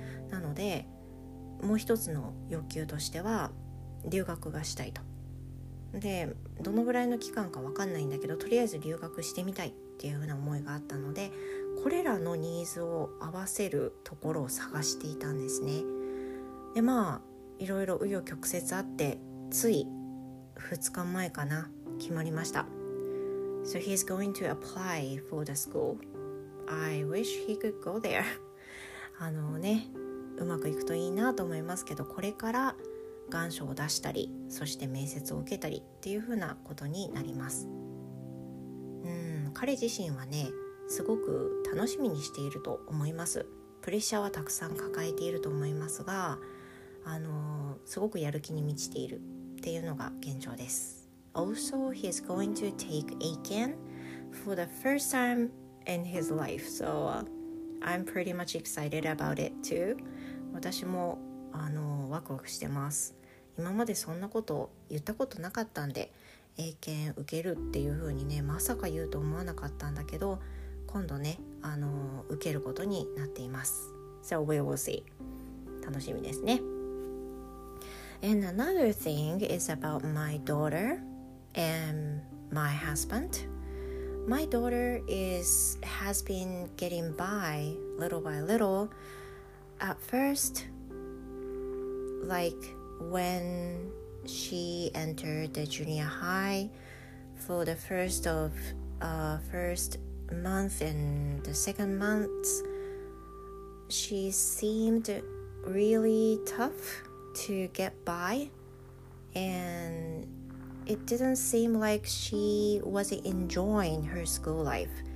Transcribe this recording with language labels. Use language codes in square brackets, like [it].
[ja] なのでもう一つの欲求としては留学がしたいと、でどのぐらいの期間か分かんないんだけど、とりあえず留学してみたいっていうふうな思いがあったので、これらのニーズを合わせるところを探していたんですね。でまあいろいろ紆余曲折あって、つい2日前かな決まりました。 [en] So he's going to apply for the school. I wish he could go there. [ja] あのね、うまくいくといいなと思いますけど、これから願書を出したり、そして面接を受けたりっていうふうなことになります。彼自身はねすごく楽しみにしていると思います。プレッシャーはたくさん抱えていると思いますが、すごくやる気に満ちているっていうのが現状です。 [en] Also he is going to take Aiken for the first time in his life, so I'm pretty much excited about it too. [ja] 私もワクワクしてます。今までそんなこと言ったことなかったんで、英検受けるっていう風にねまさか言うと思わなかったんだけど、今度ね受けることになっています。 [en] So we will see. [ja] 楽しみですね。 [en] And another thing is about my daughter and my husband. My daughter has been getting by little by little. At firstLike when she entered the junior high, for the first month and the second month, she seemed really tough to get by, and it didn't seem like she was enjoying her school life.